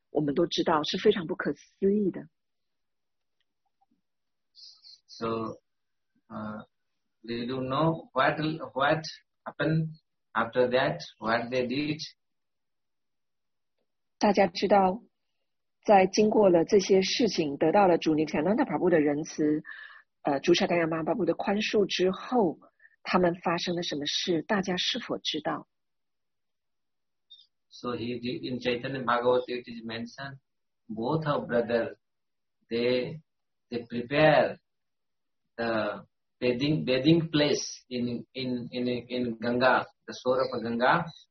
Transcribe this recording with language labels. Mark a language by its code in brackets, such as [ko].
[zh] 我们都知道是非常不可思议的。 [en] So, they don't know what happened after that, what they did. [zh] 大家知道，在经过了这些事情，得到了主尼卡纳达帕布的仁慈，朱沙甘亚玛巴布的宽恕之后，他们发生了什么事？大家是否知道？ [en] So he did in Chaitanya Bhagavata it is mentioned both of brothers they prepare the bathing place in Ganga, the shore of Ganga.